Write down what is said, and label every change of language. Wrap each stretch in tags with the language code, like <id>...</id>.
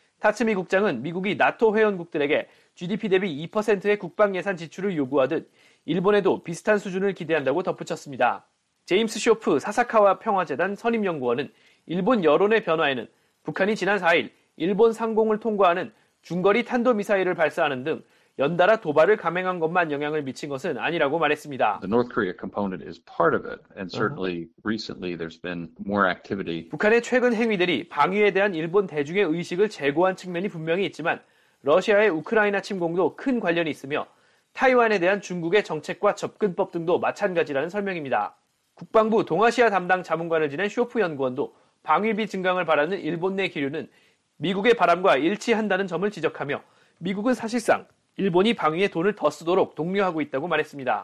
<ko>타츠미 국장은 미국이 나토 회원국들에게 GDP 대비 2%의 국방 예산 지출을 요구하듯 일본에도 비슷한 수준을 기대한다고 덧붙였습니다. 제임스 쇼프 사사카와 평화재단 선임연구원은 일본 여론의 변화에는 북한이 지난 4일 일본 상공을 통과하는 중거리 탄도미사일을 발사하는 등 연달아 도발을 감행한 것만 영향을 미친 것은 아니라고 말했습니다.</ko> <en>The North Korea component is part of it, and certainly recently there's been more activity.</en> <ko>북한의 최근 행위들이 방위에 대한 일본 대중의 의식을 제고한 측면이 분명히 있지만 러시아의 우크라이나 침공도 큰 관련이 있으며 타이완에 대한 중국의 정책과 접근법 등도 마찬가지라는 설명입니다. 국방부 동아시아 담당 자문관을 지낸 쇼프 연구원도 방위비 증강을 바라는 일본 내 기류는 미국의 바람과 일치한다는 점을 지적하며 미국은 사실상 일본이 방위에 돈을 더 쓰도록 독려하고 있다고 말했습니다.</ko>